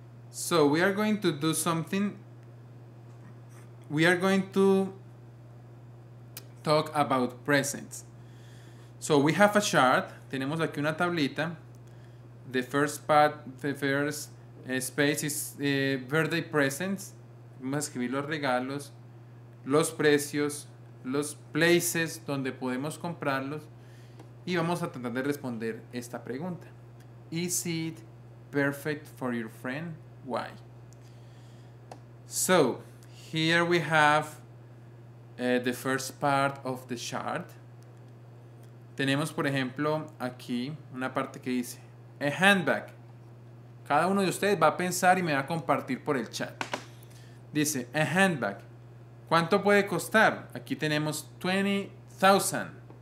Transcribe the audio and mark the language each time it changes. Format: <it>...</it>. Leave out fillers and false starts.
<en>So we are going to do something. We are going to talk about presents. So we have a chart.</en> <es>Tenemos aquí una tablita.</es> <en>The first part, the first space is birthday presents.</en> <es>Vamos a escribir los regalos, los precios, los places donde podemos comprarlos. Y vamos a tratar de responder esta pregunta.</es> <en>Is it perfect for your friend? Why? So, here we have the first part of the chart.</en> <es>Tenemos, por ejemplo, aquí una parte que dice a handbag. Cada uno de ustedes va a pensar y me va a compartir por el chat. Dice, a handbag. ¿Cuánto puede costar? Aquí tenemos 20,000.</es>